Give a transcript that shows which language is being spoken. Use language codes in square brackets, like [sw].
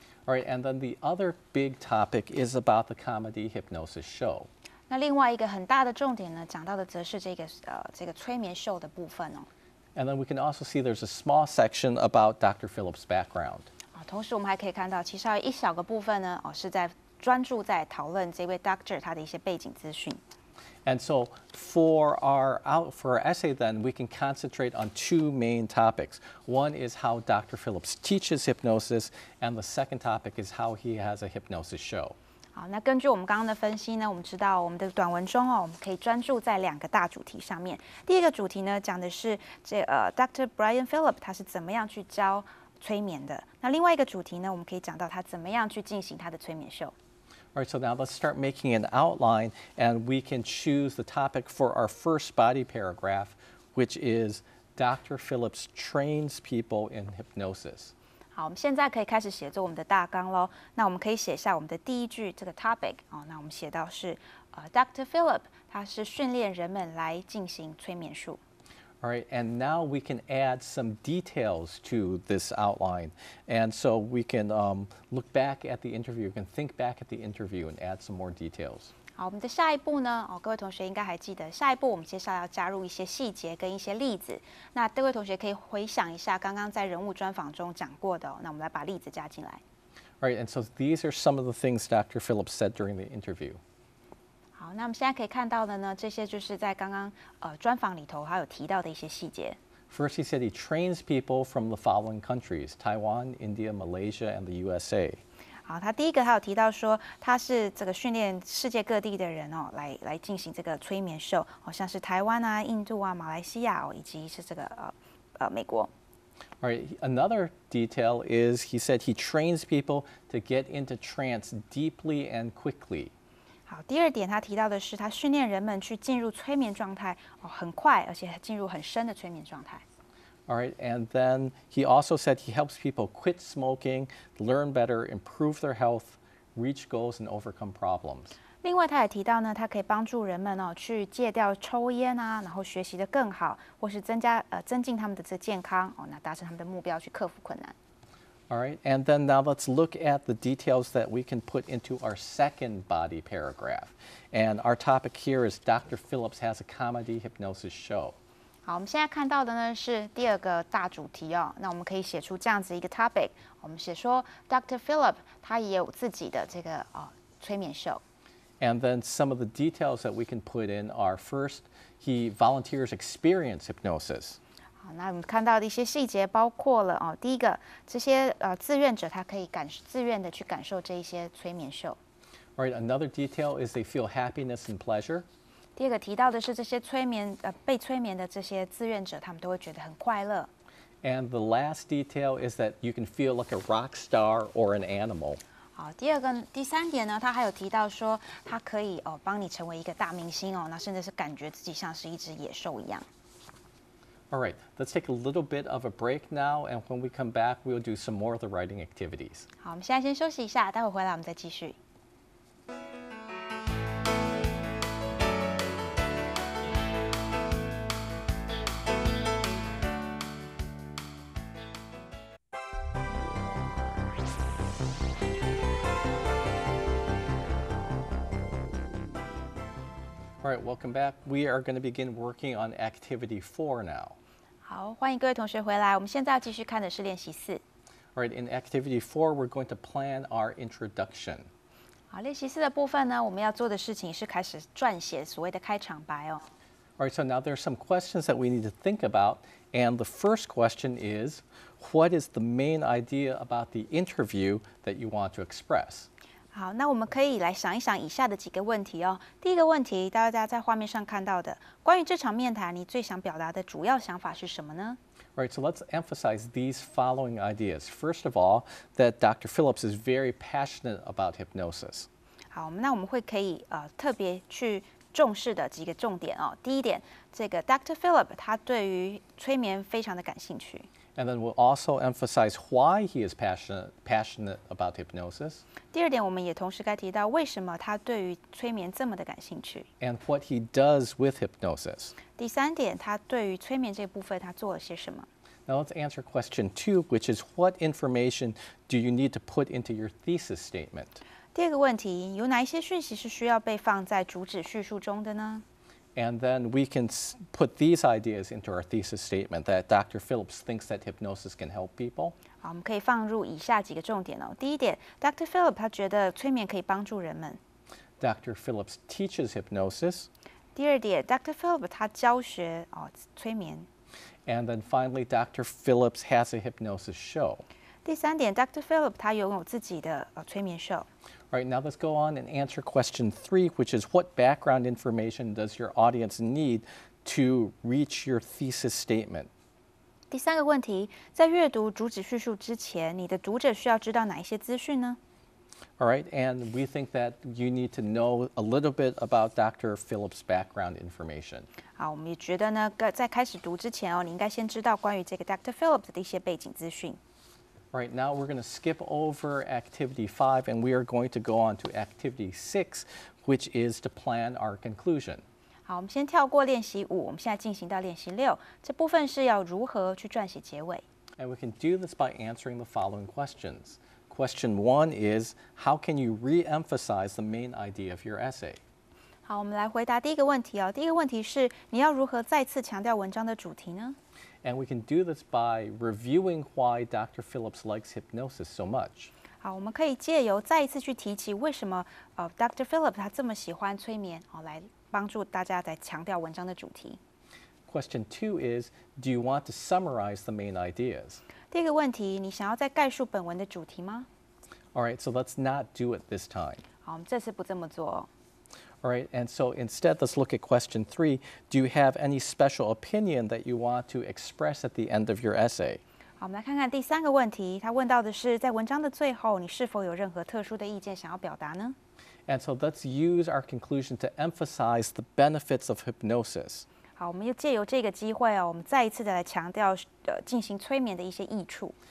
[en] All right, and then the other big topic is about the comedy hypnosis show. [zh] 那另外一个很大的重点呢，讲到的则是这个催眠秀的部分哦。 [en] And then we can also see there's a small section about Dr. Phillips' background. [zh] 同时我们还可以看到，其实还有一小个部分呢，是在。专注在讨论这位 doctor 他的一些背景资讯。 [en] And so for our essay then, we can concentrate on two main topics. One is how Dr. Phillips teaches hypnosis, and the second topic is how he has a hypnosis show. [zh] 好，那根据我们刚刚的分析呢，我们知道我们的短文中哦，我们可以专注在两个大主题上面。第一个主题呢，讲的是Dr. Brian Phillips 他是怎么样去教催眠的。那另外一个主题呢，我们可以讲到他怎么样去进行他的催眠秀。 [en] All right, so now let's start making an outline, and we can choose the topic for our first body paragraph, which is Dr. Phillips trains people in hypnosis. [zh] 好，我们现在可以开始写作我们的大纲咯。那我们可以写下我们的第一句这个 topic 哦。那我们写到是Dr. Phillips 他是训练人们来进行催眠术。 [en] All right, and now we can add some details to this outline. And so we can look back at the interview, we can think back at the interview and add some more details. [zh] 好，我们的下一步呢，各位同学应该还记得，下一步我们接下来要加入一些细节跟一些例子。那各位同学可以回想一下刚刚在人物专访中讲过的，那我们来把例子加进来。 [en] All right, and so these are some of the things Dr. Phillips said during the interview. [zh] 好，那我们现在可以看到的呢，这些就是在刚刚专访里头还有提到的一些细节。 [en] First, he said he trains people from the following countries: Taiwan, India, Malaysia, and the USA. [zh] 好，他第一个他有提到说他是这个训练世界各地的人哦，来进行这个催眠秀，好像是台湾啊、印度啊、马来西亚哦，以及是这个美国。 [en] All right, another detail is he said he trains people to get into trance deeply and quickly. [zh] 好，第二点他提到的是他训练人们去进入催眠状态，很快，而且进入很深的催眠状态。 [en] All right, and then he also said he helps people quit smoking, learn better, improve their health, reach goals, and overcome problems. [zh] 另外他也提到呢，他可以帮助人们去戒掉抽烟啊，然后学习得更好，或是增进他们的这健康，那达成他们的目标去克服困难。 [en] All right, and then now let's look at the details that we can put into our second body paragraph. And our topic here is Dr. Phillips has a comedy hypnosis show. [zh] 好，我们现在看到的呢是第二个大主题哦。那我们可以写出这样子一个 topic. 我们写说 Dr. Phillips 他也有自己的这个催眠秀。 [en] And then some of the details that we can put in are first, he volunteers experience hypnosis. [zh] 那我们看到的一些细节包括了第一个，这些志愿者他可以自愿的去感受这一些催眠秀。 [en] All right, another detail is they feel happiness and pleasure. [zh] 第二个提到的是这些被催眠的这些志愿者，他们都会觉得很快乐。 [en] And the last detail is that you can feel like a rock star or an animal. [zh] 好，第三点呢，他还有提到说他可以帮你成为一个大明星那甚至是感觉自己像是一只野兽一样。 [en] All right, let's take a little bit of a break now, and when we come back, we'll do some more of the writing activities. [zh] 好，我们现在先休息一下，待会回来我们再继续。 [en] right, welcome back. We are going to begin working on activity four now. [zh] 好，欢迎各位同学回来。我们现在要继续看的是练习四。 [en] All right, in activity four, we're going to plan our introduction. [zh] 好，练习四的部分呢，我们要做的事情是开始撰写所谓的开场白哦。 [en] All right, so now there are some questions that we need to think about. And the first question is, what is the main idea about the interview that you want to express? [zh] 好，那我们可以来想一想以下的几个问题哦。第一个问题，大家在画面上看到的，关于这场面谈，你最想表达的主要想法是什么呢？ [en] Right, so let's emphasize these following ideas. First of all, that Dr. Phillips is very passionate about hypnosis. [zh] 好，那我们会可以特别去重视的几个重点哦。第一点，这个 Dr. Phillips 他对于催眠非常的感兴趣。 [en] And then we'll also emphasize why he is passionate about hypnosis. [zh] 第二点，我们也同时该提到为什么他对于催眠这么的感兴趣。 [en] And what he does with hypnosis. [zh] 第三点，他对于催眠这部分他做了些什么。 [en] Now let's answer question two, which is what information do you need to put into your thesis statement? [zh] 第二个问题，有哪一些讯息是需要被放在主旨叙述中的呢？ [en] And then we can put these ideas into our thesis statement that Dr. Phillips thinks that hypnosis can help people. [zh] 好，我们可以放入以下几个重点哦。第一点， Dr. Phillips 他觉得催眠可以帮助人们。 [en] Dr. Phillips teaches hypnosis. [zh] 第二点， Dr. Phillips 他教学哦，催眠。 [en] And then finally, Dr. Phillips has a hypnosis show. [zh] 第三点， Dr. Phillips 他拥有自己的催眠show。 [en] Alright, now let's go on and answer question three, which is what background information does your audience need to reach your thesis statement? [zh] 第三个问题，在阅读主旨叙述之前，你的读者需要知道哪一些资讯呢？ [en] Alright, and we think that you need to know a little bit about Dr. Phillips' background information. [zh] 好，我们也觉得呢，在开始读之前哦，你应该先知道关于这个 Dr. Phillips 的一些背景资讯。 [en] Right, now we're going to skip over activity five and we are going to go on to activity six, which is to plan our conclusion. [zh] 好，我们先跳过练习五，我们现在进行到练习六，这部分是要如何去撰写结尾。 [en] And we can do this by answering the following questions. Question one is, how can you re-emphasize the main idea of your essay? [zh] 好，我们来回答第一个问题哦。第一个问题是，你要如何再次强调文章的主题呢？ [en] And we can do this by reviewing why Dr. Phillips likes hypnosis so much. [zh] 好，我们可以借由再一次去提起为什么Dr. Phillips 他这么喜欢催眠，哦，来帮助大家来强调文章的主题。 [en] Question two is, do you want to summarize the main ideas? [zh] 第一个问题，你想要再概述本文的主题吗？ [en] All right, so let's not do it this time. [zh] 好，我们这次不这么做哦。 [en] All right, and so instead, let's look at question three. Do you have any special opinion that you want to express at the end of your essay? [zh] 好，我们来看看第三个问题。他问到的是，在文章的最后，你是否有任何特殊的意见想要表达呢？ [en] And so let's use our conclusion to emphasize the benefits of hypnosis. [zh] 好，我们又借由这个机会哦，我们再一次的来强调进行催眠的一些益处。